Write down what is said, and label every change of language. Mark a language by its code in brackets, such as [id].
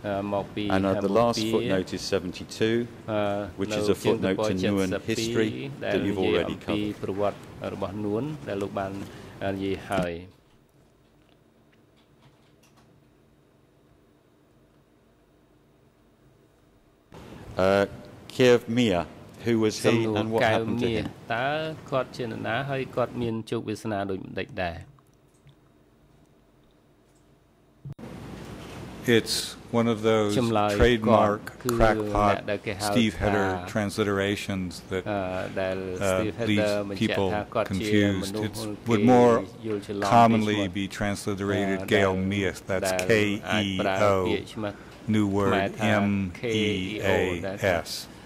[en] And the last footnote is 72, which is a footnote to Nguyen history that you've already covered. Kiev Mia Who was he and what happened to him? [km] គាត់ជានរណាហើយគាត់មានជោគវាសនាដូចម្តេចដែរ [en] It's one of those trademark crackpot Steve Heder transliterations that leaves people confused. It would more commonly be transliterated Gael Meath, that's K-E-O, new word, M-E-A-S.